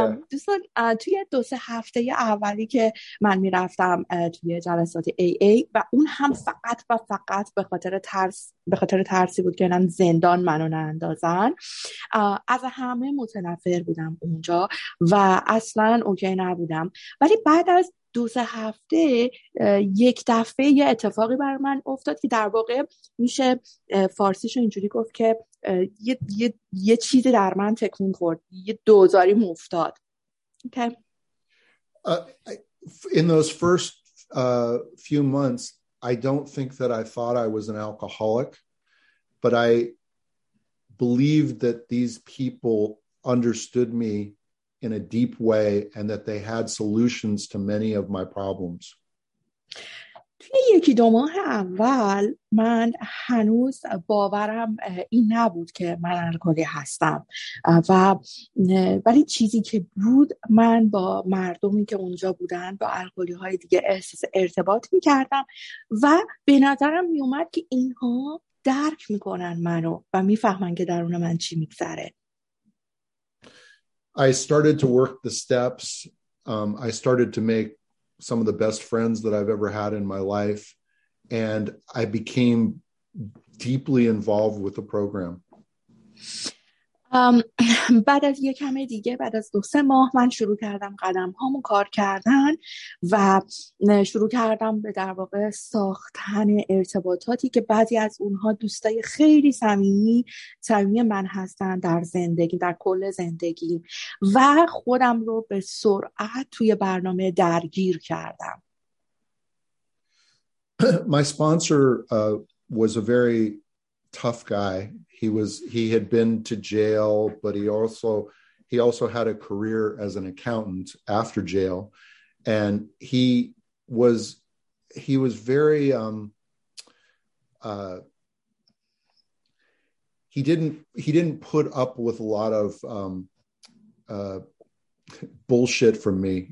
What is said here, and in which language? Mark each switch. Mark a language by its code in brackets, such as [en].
[fa] دوستان توی دو سه هفته اولی که من میرفتم توی جلسات AA و اون هم فقط و فقط به خاطر ترس، به خاطر ترسی بود که زندان منو نندازن، از همه متنفر بودم اونجا و اصلا اوکی نبودم. ولی بعد از دو سه هفته یک دفعه یه اتفاقی بر من افتاد که در واقع میشه فارسیش اینجوری گفت که یه چیزی در من تکون خورد، یه دوزاری مفتاد. [en] Okay. In those first few months, I don't think that I thought I was an alcoholic, but I believed that these people understood me in a deep way and that they had solutions to many of my problems. [fa] توی یکی دو ماه اول من هنوز باورم این نبود که من الکلی هستم و ولی چیزی که بود، من با مردمی که اونجا بودن با الکلی های دیگه احساس ارتباط میکردم و به نظرم میومد که اینها درک میکنن منو و میفهمن که درون من چی میگذره. [en] I started to work the steps. I started to make some of the best friends that I've ever had in my life. And I became deeply involved with the program. [fa] بعد از یک کم دیگه، بعد از دو سه ماه، من شروع کردم قدم هامو کار کردن و شروع کردم به در واقع ساختن ارتباطاتی که بعضی از اونها دوستای خیلی صمیمی من هستن در زندگی، در کل زندگی، و خودم رو به سرعت توی برنامه درگیر کردم. [en] My sponsor was a very tough guy. He had been to jail, but he also had a career as an accountant after jail. And he was very he didn't put up with a lot of bullshit from me.